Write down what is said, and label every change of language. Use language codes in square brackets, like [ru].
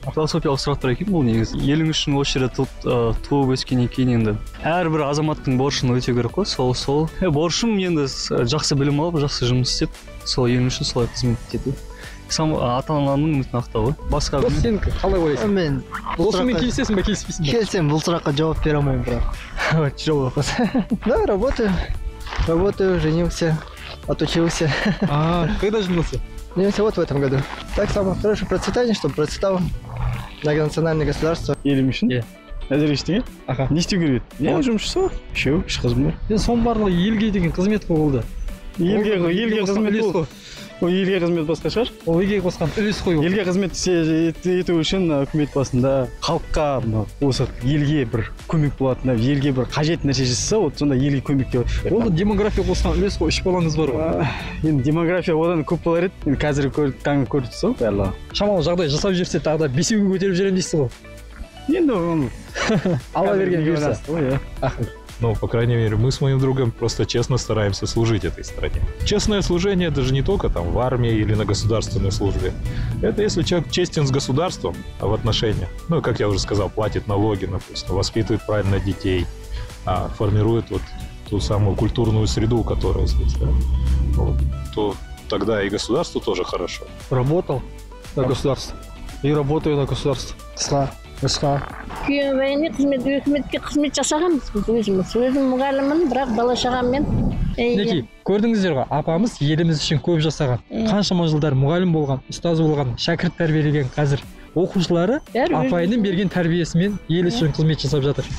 [kk] Философиялық сұрақтар екен бұл негізі. Елің үшін осы жерде туып өскеннен кейін енді әрбір азаматтың борышын өтеу керек қой. Сол. Борышым енді жақсы білім алып, жақсы жұмыс істеп, сол елім үшін солай қызмет етеді. Сам ата-ананың үмітін ақтауы. Басқа білмеймін. Сен қалай ойлайсың? Мен осымен келісесің ба, келіспейсің ба? Келісемін, бұл сұраққа жауап бере алмаймын бірақ. [ru] Тяжело вопрос. Да, работаю. Работаю, женился, отучился. Когда женился? Женился вот в этом году. Так само, хорошее процветание, чтобы процветало многонациональное государство. [kk] Елім үшін? Иә. Әзір ештеңе? Аха. Не істеу керек еді? Мен жұмысшы ғой. Үшеу, үш қызым бар. Мен соның барлығы елге деген қызмет қой болды. Елге ғой, елге қызмет қой. Ой, елге қызмет басқа шығар. Ол елге қосқан үлес қой. Елге қызмет ету үшін үкімет басында халыққа осы елге бір көмек болатын, елге бір қажет нәрсе жасаса, вот сонда елге көмек деп. Ол демография қосқан үлес қой, үш балаңыз бар ғой. Енді демография одан көп болар еді. Мен қазір таңғы көрдім сол барлығы. Шамалы жағдай жасап жіберсе тағы да бесеуге көтеріп жіберем дейсіз ғой. Енді алла берген бұйырса. [ru] Ну, по крайней мере, мы с моим другом просто честно стараемся служить этой стране. Честное служение – это же не только там в армии или на государственной службе. Это если человек честен с государством в отношениях, ну, как я уже сказал, платит налоги, например, воспитывает правильно детей, формирует вот ту самую культурную среду, которая здесь, да, вот, то тогда и государству тоже хорошо. Работал на государство и работаю на государство. [kk] Қысқа. Күйеу байыны қызметі өкіметке қызмет жасағанбыз біз өзіміз. Өзім мұғаліммін, бірақ бала шағаммен. Мінекей, көрдіңіздер ғой, апамыз еліміз үшін көп жасаған. Қаншама жылдар мұғалім болған, ұстаз болған, шәкірт тәрбиелеген қазір оқушылары апайының берген тәрбиесімен ел үшін қызмет жасап жатыр.